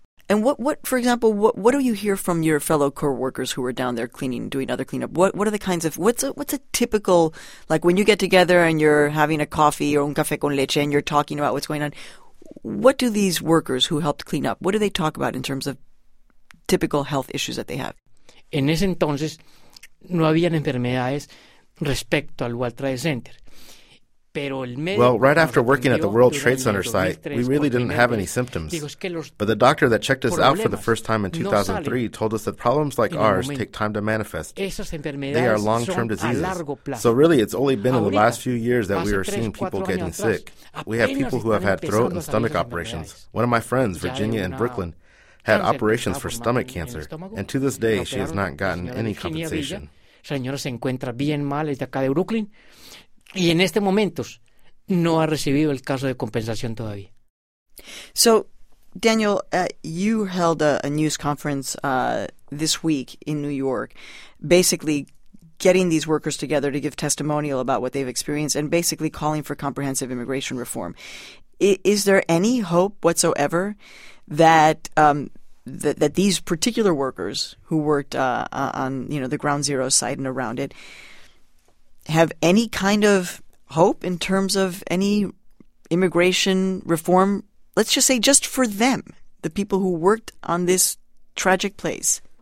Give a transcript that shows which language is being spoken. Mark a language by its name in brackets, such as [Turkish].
[English] And what, for example, what do you hear from your fellow co-workers who are down there cleaning, doing other cleanup? What's a typical, like when you get together and you're having a coffee or [Spanish] un café con leche [English] and you're talking about what's going on, what do these workers who helped clean up, what do they talk about in terms of typical health issues that they have? [Spanish] En ese entonces no habían enfermedades respecto al World Trade Center. [English] Well, right after working at the World Trade Center site, we really didn't have any symptoms. But the doctor that checked us out for the first time in 2003 told us that problems like ours take time to manifest. They are long-term diseases. So really, it's only been in the last few years that we are seeing people getting sick. We have people who have had throat and stomach operations. One of my friends, Virginia in Brooklyn, had operations for stomach cancer, and to this day, she has not gotten any compensation. [Spanish] Señora se encuentra bien mal desde acá de Brooklyn. Y en este momento no ha recibido el caso de compensación todavía. [English] So, Daniel, you held a news conference this week in New York, basically getting these workers together to give testimonial about what they've experienced and basically calling for comprehensive immigration reform. Is there any hope whatsoever that that these particular workers who worked on, you know, the Ground Zero site and around it have any kind of hope in terms of any immigration reform, let's just say just for them, the people who worked on this tragic place?